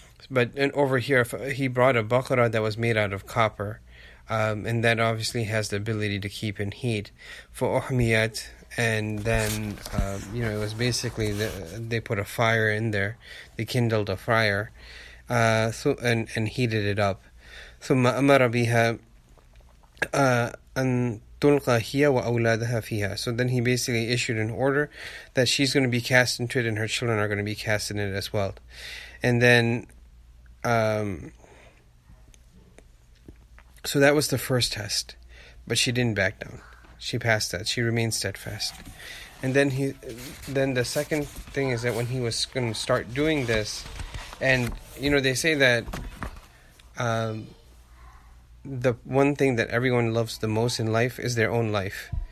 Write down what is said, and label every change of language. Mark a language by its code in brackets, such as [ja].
[en] But over here, he brought a baqara that was made out of copper, and that obviously has the ability to keep in heat for uhmiyat. And then, you know, it was basically they put a fire in there, they kindled a fire, and heated it up. [ar] ثم أمر بها أن تلقى هي وأولادها فيها. [en] So then he basically issued an order that she's going to be cast into it, and her children are going to be cast in it as well. And then, so that was the first test, but she didn't back down. She passed that. She remained steadfast. And then the second thing is that when he was going to start doing this, and you know, they say that the one thing that everyone loves the most in life is their own life.